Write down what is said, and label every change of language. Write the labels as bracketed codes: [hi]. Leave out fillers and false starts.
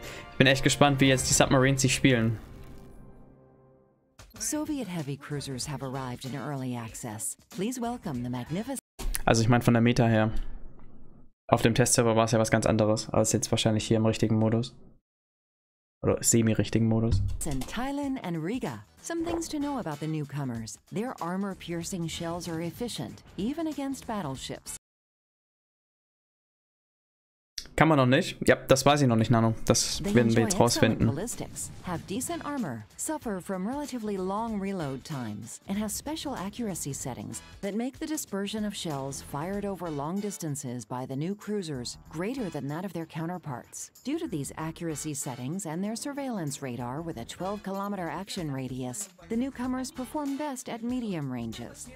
[de] Ich bin echt gespannt, wie jetzt die Submarines sich spielen. [en] Soviet heavy cruisers have arrived in early access. Please welcome the magnificent. [de] Also ich meine von der Meta her. Auf dem Testserver war es ja was ganz anderes als jetzt wahrscheinlich hier im richtigen Modus. Oder semi-richtigen Modus. [en] In Thailand and Riga. Some things to know about the newcomers. Their armor-piercing shells are efficient, even against battleships. [de] Kann man noch nicht? Ja, das weiß ich noch nicht, Nano. Das werden wir jetzt rausfinden. [en] Have decent armor, suffer from relatively long reload times, and have special accuracy settings that make the dispersion of shells fired over long distances by the new cruisers greater than that of their counterparts. Due to these accuracy settings and their surveillance radar with a 12-kilometer action radius, the newcomers perform best at medium ranges.